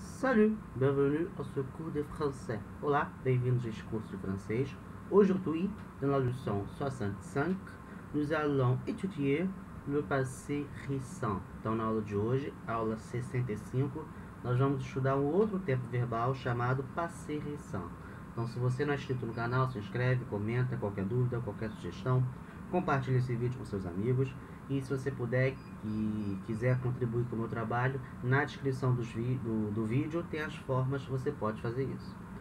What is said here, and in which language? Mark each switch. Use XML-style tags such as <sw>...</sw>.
<fr>Salut, bienvenue à ce cours de français.</fr> <pt>Olá, bem-vindos a este curso de francês.</pt> <fr>Aujourd'hui, dans la leçon 65, nous allons étudier le passé récent.</fr> <pt>Então, na aula de hoje, aula 65, nós vamos estudar um outro tempo verbal chamado passé récent. Então, se você não é inscrito no canal, se inscreve, comenta qualquer dúvida, qualquer sugestão, compartilhe esse vídeo com seus amigos. E se você puder e quiser contribuir com o meu trabalho, na descrição do vídeo tem as formas que você pode fazer isso.</pt>